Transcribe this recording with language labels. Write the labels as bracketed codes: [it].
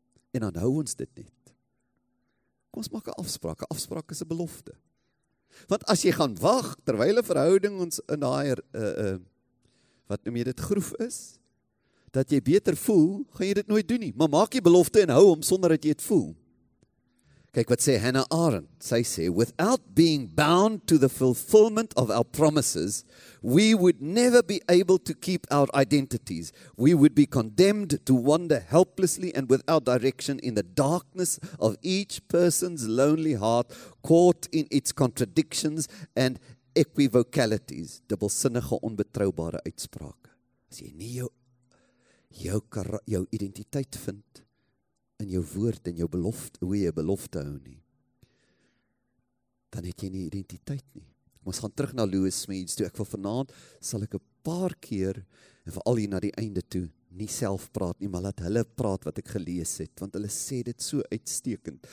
[af] En dan hou ons dit net. Ons maak 'n afspraak. 'N afspraak is 'n belofte. Want as jy gaan wag terwyl 'n verhouding ons in daai wat noem jy dit groef is, dat jy beter voel, gaan jy dit nooit doen nie. Maar maak jy belofte en hou hom sonder dat jy dit voel. Kyk wat sê Hannah Arendt. Sy sê, [en] without being bound to the fulfillment of our promises, we would never be able to keep our identities. We would be condemned to wander helplessly and without direction in the darkness of each person's lonely heart, caught in its contradictions and equivocalities. [af] Dubbelsinnige, onbetroubare uitsprake. As jy nie jou identiteit vind, in jou woord en jou belofte, hoe jy belofte hou nie, dan het jy nie identiteit nie. Ons gaan terug na Lewis Smeads toe. Ek wil vanaand, sal ek 'n paar keer, en veral hier na die einde toe, nie self praat nie, maar laat hulle praat wat ek gelees het, want hulle sê dit so uitstekend.